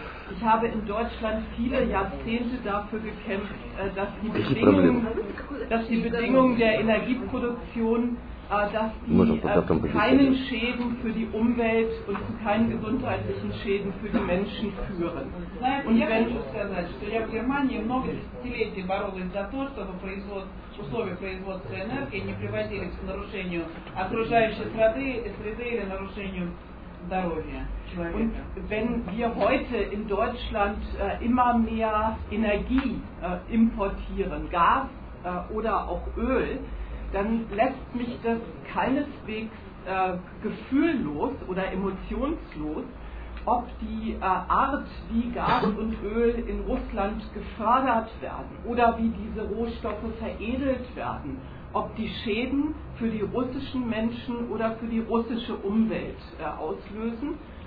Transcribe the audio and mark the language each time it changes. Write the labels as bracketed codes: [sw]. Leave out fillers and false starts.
[de] Ich habe in Deutschland viele Jahrzehnte dafür gekämpft, dass die Bedingungen der Energieproduktion, dass die keinen Schäden für die Umwelt und zu keinen gesundheitlichen Schäden für die Menschen führen. Und ich möchte sagen, dass ich in [ru] Германии много десятилетий боролась за то, чтобы условия производства энергии не приводили к нарушению окружающей среды или нарушению здоровья. [de] Und wenn wir heute in Deutschland immer mehr Energie importieren, Gas oder auch Öl, dann lässt mich das keineswegs gefühllos oder emotionslos, ob die Art, wie Gas und Öl in Russland gefördert werden oder wie diese Rohstoffe veredelt werden, ob die Schäden für die russischen Menschen oder für die russische Umwelt auslösen.